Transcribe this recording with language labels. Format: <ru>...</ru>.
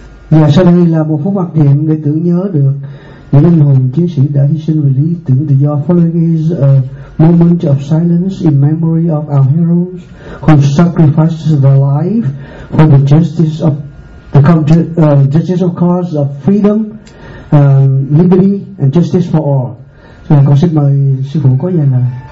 <vi>Và sau đây là một phút mặc niệm để tưởng nhớ được những linh hồn chiến sĩ đã hy sinh vì lý tưởng tự do.</vi> <en>Following is a moment of silence in memory of our heroes who sacrificed their life for the justice of the country, justice of cause of freedom, liberty and justice for all.</en> <vi>Rồi con xin mời sư phụ có dành lời.</vi>